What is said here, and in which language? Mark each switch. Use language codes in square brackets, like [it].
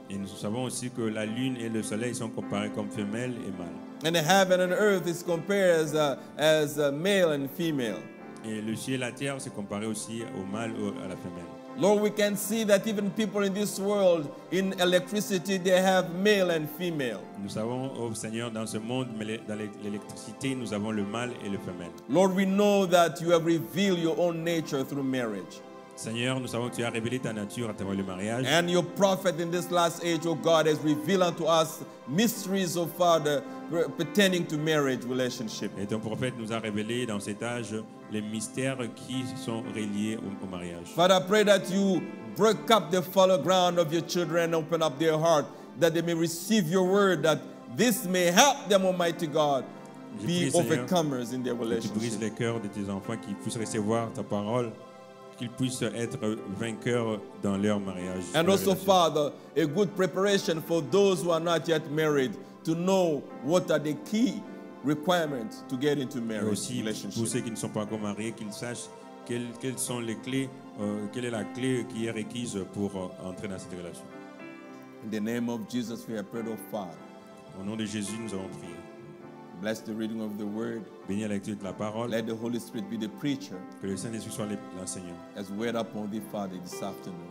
[fr] Et nous savons aussi que la lune et le soleil sont comparés comme femelle et mâle. [en] And the heaven and earth is compared as male and female. [fr] Et le ciel et la terre se comparent aussi au mâle ou à la femelle. [en] Lord, we can see that even people in this world, in electricity, they have male and female. [fr] Nous savons, ô Seigneur, dans ce monde, dans l'électricité, nous avons le mâle et le femelle. [en] Lord, we know that you have revealed your own nature through marriage. [fr] Seigneur, nous savons que tu as révélé ta nature à travers le mariage. [en] And your prophet in this last age, O God, has revealed unto us mysteries of Father pertaining to marriage relationship. [fr] Et ton prophète nous a révélé dans cet âge les mystères qui sont reliés au mariage. [en] Father, I pray that you break up the fallow ground of your children and open up their heart that they may receive your word, that this may help them, Almighty God, be overcomers in their relationship. [fr] Tu brises les cœurs de tes enfants, qu'ils puissent recevoir ta parole, qu'ils puissent être vainqueurs dans leur mariage. [en] And also, Father, a good preparation for those who are not yet married to know what are the key requirements to get into marriage relationship. [fr] Et aussi pour ceux qui ne sont pas encore mariés, qu'ils sachent quelles sont les clés, quelle est la clé qui est requise pour entrer dans cette relation. [en] In the name of Jesus, we have prayed, O Father. [fr] Au nom de Jésus, nous avons prié. [en] Bless the reading of the word. [fr] Bénis la lecture de la parole. [en] Let the Holy Spirit be the preacher. [fr] Que le Saint-Esprit soit l'enseignant. [en] As we wait upon thee, Father, this afternoon.